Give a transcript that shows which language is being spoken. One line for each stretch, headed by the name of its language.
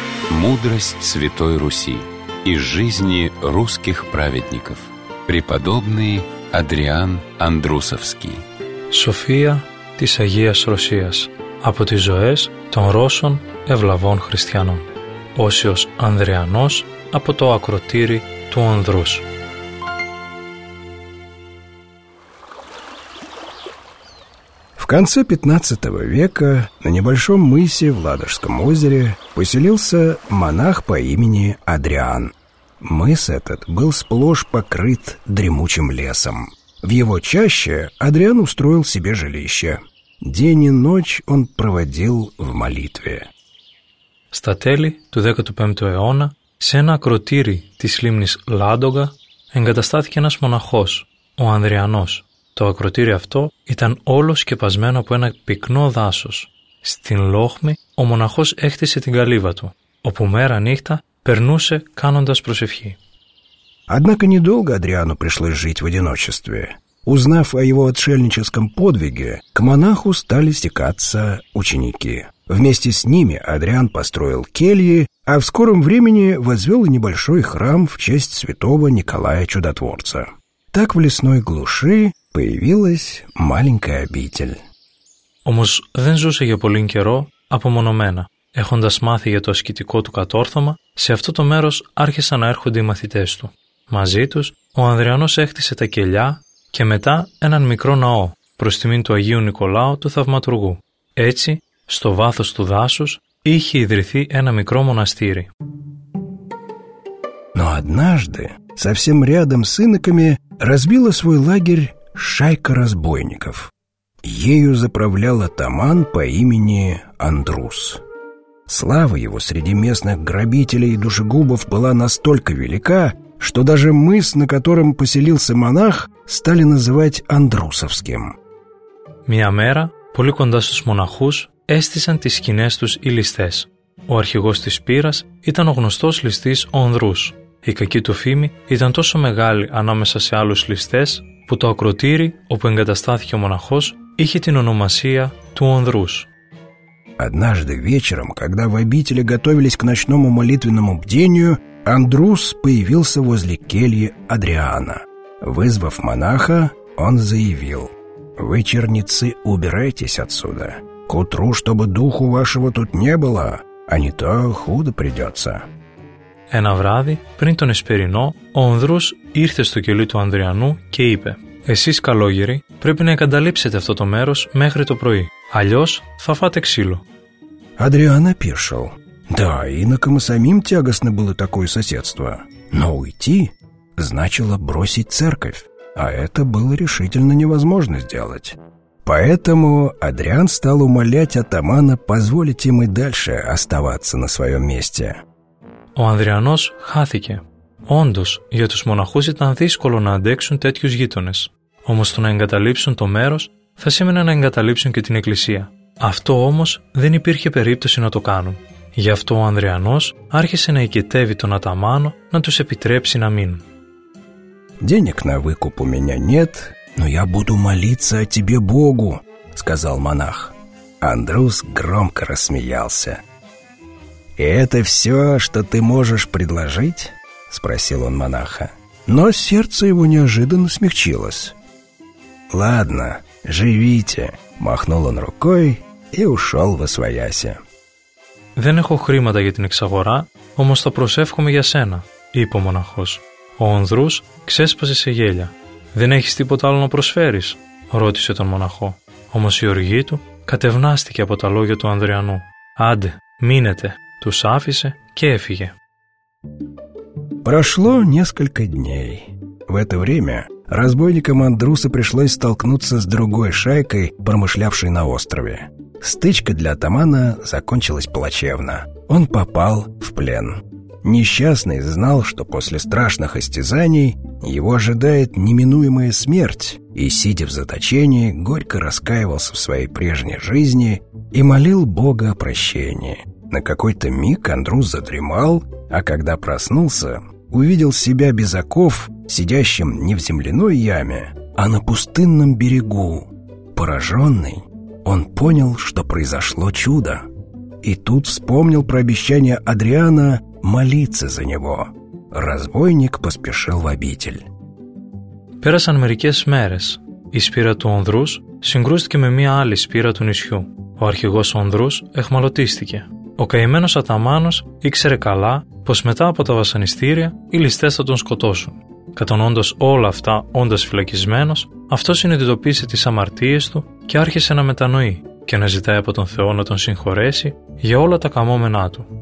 Russian: Мудрость Святой Руси из жизни русских праведников. Преподобный Адриан Андрусовский.
Greek: София της Αγίας Ρωσίας. Από τις ζωές των Ρώσων ευλαβών χριστιανών. Όσιος Ανδριανός από το ακροτήρι του Ανδρούς.
Russian: В конце 15 века на небольшом мысе в Ладожском озере поселился монах по имени Адриан. Мыс этот был сплошь покрыт дремучим лесом. В его чаще Адриан устроил себе жилище. День и ночь он проводил в молитве.
Greek: Στα τέλη του 15ου αιώνα σε ένα ακροτήρι της λίμνης Λάντογκα εγκαταστάθηκε ένας μοναχός, ο Ανδριανός. Το ακροτήρι αυτό ήταν όλο σκεπασμένο από ένα πυκνό δάσος. Στην λόχμη ο μοναχός έχτισε την καλύβα του, όπου μέρα νύχτα περνούσε κάνοντας προσευχή.
Russian: Однако недолго Адриану пришлось жить в одиночестве. Узнав о его отшельническом подвиге, к монаху стали стекаться ученики. Вместе с ними Адриан построил кельи, а в скором времени возвел небольшой храм в честь святого Николая Чудотворца. Так в лесной глуши появилась маленькая обитель.
Greek: Όμως δεν ζούσε για πολύ καιρό απομονωμένα. Έχοντας μάθει για το ασκητικό του κατόρθωμα, σε αυτό το μέρος άρχισαν να έρχονται οι μαθητές του. Μαζί τους, ο Ανδριανός έχτισε τα κελιά και μετά έναν μικρό ναό προς τιμή του Αγίου Νικολάου του Θαυματουργού. Έτσι, στο βάθος του δάσους, είχε ιδρυθεί ένα μικρό μοναστήρι.
Russian: Но однажды, совсем рядом с иноками, разбила свой лагерь шайка разбойников. Ею заправлял атаман по имени Андрус. Слава его среди местных грабителей и душегубов была настолько велика, что даже мыс, на котором поселился монах, стали называть Андрусовским.
Greek: Мия мера, поли кондасус монахус, эстисан тис кинестус и листес. Ο αρχηγός της πείρας ήταν ο γνωστός ληστής ο Ανδρούς. Η κακή του φήμη ήταν τόσο μεγάλη ανάμεσα σε άλλους ληστές που το ακροτήρι όπου εγκαταστάθηκε ο μοναχός είχε την ονομασία του Ανδρούς.
Russian: Однажды вечером, когда в обители готовились к ночному молитвенному бдению, Андрус появился возле кельи Адриана. Вызвав монаха, он заявил: «Вы, черницы, убирайтесь отсюда. К утру, чтобы духу вашего тут не было, а не то худо придется».
Greek: Ένα βράδυ, πριν τον Εσπερινό, ο Ανδρούς ήρθε στο κελί του Ανδριανού και είπε: «Εσείς, καλόγεροι, πρέπει να εγκαταλείψετε αυτό το μέρος μέχρι το πρωί. Αλλιώς θα φάτε ξύλο».
Russian: Адриан опешил. Да, инокам и самим тягостно было такое соседство. Но уйти значило бросить церковь, а это было решительно невозможно сделать. Поэтому Адриан стал умолять атамана позволить им и дальше оставаться на своем месте.
Greek: Ο Ανδριανός χάθηκε. Όντως, για τους μοναχούς ήταν δύσκολο να αντέξουν τέτοιους γείτονες. Όμως το να εγκαταλείψουν το μέρος θα σήμαινε να εγκαταλείψουν και την εκκλησία. Αυτό όμως δεν υπήρχε περίπτωση να το κάνουν. Γι' αυτό ο Ανδριανός άρχισε να ικετεύει τον Αταμάνο να τους επιτρέψει να μείνουν.
Russian: «Денег на выкуп у меня нет, но я буду молиться о тебе Богу», сказал монах. Андрус громко рассмеялся. «И это все, что ты можешь предложить?» спросил он монаха. Но сердце его неожиданно смягчилось. «Ладно, живите», махнул он рукой и ушел во свояси.
Greek: «Δεν έχω χρήματα για την εξαγορά, όμως θα προσεύχομαι για σένα», είπε ο μοναχός. Ο Ανδρούς ξέσπασε σε γέλια. «Δεν έχεις τίποτα άλλο να προσφέρεις?» ρώτησε τον μοναχό. Όμως η οργή του κατευνάστηκε από τα λόγια του Ανδριανού. «Άντε, μείνετε», τους άφησε και έφυγε.
Russian: Прошло несколько дней. В это время разбойникам Андруса пришлось столкнуться с другой шайкой, промышлявшей на острове. Стычка для атамана закончилась плачевно. Он попал в плен. Несчастный знал, что после страшных истязаний его ожидает неминуемая смерть, и, сидя в заточении, горько раскаивался в своей прежней жизни и молил Бога о прощении. На какой-то миг Андрус задремал, а когда проснулся, увидел себя без оков, сидящим не в земляной яме, а на пустынном берегу. Пораженный, он понял, что произошло чудо. И тут вспомнил про обещание Адриана молиться за него. Разбойник поспешил в обитель.
Greek: Пέρασαν μερικές μέρες. Η σπήρα του Ανδρούς συγκρούστηκε με μια άλλη σπήρα του νησιού. Ο αρχηγός Ανδρούς εχμαλωτίστηκε. Ο καημένος αταμάνος ήξερε καλά πως μετά από τα βασανιστήρια οι ληστές θα τον σκοτώσουν. Κατονώντας όλα αυτά, όντας φυλακισμένος, αυτός συνειδητοποίησε τις αμαρτίες του και άρχισε να μετανοεί και να ζητάει από τον Θεό να τον συγχωρέσει για όλα τα καμώμενά του.